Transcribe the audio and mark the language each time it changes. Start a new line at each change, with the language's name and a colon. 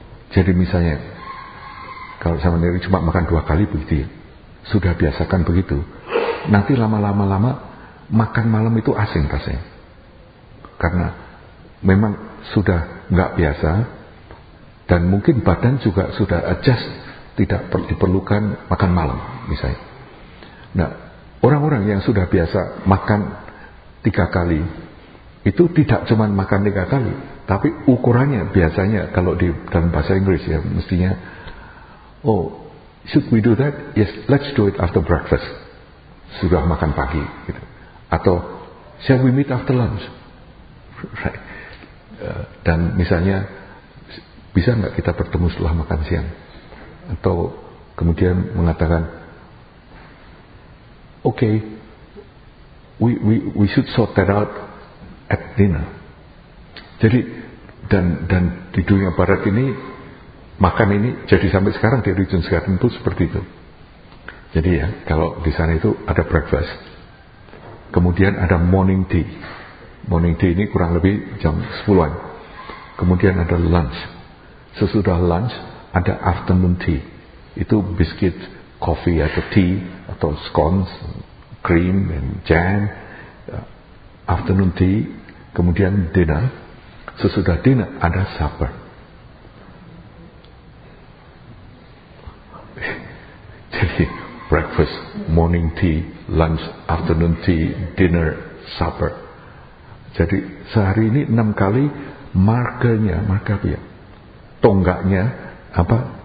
Indonesian: Jadi misalnya kalau sama diri cuma makan dua kali begitu ya, sudah biasakan begitu, nanti lama-lama makan malam itu asing rasanya, karena memang sudah nggak biasa dan mungkin badan juga sudah adjust tidak diperlukan makan malam misalnya. Nah, orang-orang yang sudah biasa makan tiga kali itu tidak cuma makan tiga kali, tapi ukurannya biasanya kalau di dalam bahasa Inggris ya mestinya,
English: oh, should we do that? Yes, let's do it after breakfast.
Indonesian: Sudah makan pagi gitu.
English: Atau shall we meet after lunch? Right.
Indonesian: Dan misalnya bisa enggak kita bertemu setelah makan siang? Atau kemudian mengatakan
English: okay, we should sort that out at dinner.
Indonesian: Jadi dan di dunia barat ini makan ini, jadi sampai sekarang di Regent's Garden itu seperti itu. Jadi ya, kalau di sana itu ada breakfast, kemudian ada morning tea. Morning tea ini kurang lebih jam 10-an. Kemudian ada lunch. Sesudah lunch ada afternoon tea. Itu biscuit, coffee atau tea atau scones, cream and jam. Afternoon tea, kemudian dinner. Sesudah dinner ada supper. Jadi breakfast, morning tea, lunch, afternoon tea, dinner, supper. Jadi sehari ini 6 kali markernya, tonggaknya, apa?